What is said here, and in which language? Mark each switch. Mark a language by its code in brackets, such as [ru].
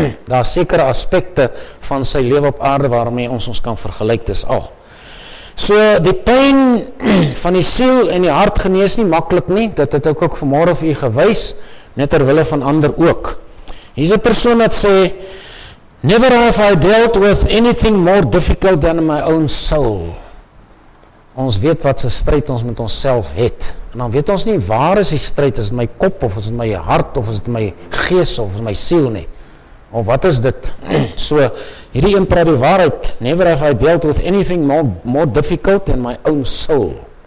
[af] Daar is sekere aspekte van sy lewe op aarde waarmee ons kan vergelyk, dis al. So die pyn van die siel en die hart genees nie maklik nie, dit het ook vanmôre vir u gewys, net ter wille van ander ook. Hier is 'n persoon wat sê, [en] never have I dealt with anything more difficult than my own soul. [af] Ons weet wat se stryd ons met onsself het. En dan weet ons nie waar is die stryd, is my kop of is my hart of is my gees of is my siel nie. Of wat is dit? So, hierdie een praat die waarheid. [en] Never have I dealt with anything more difficult than my own soul.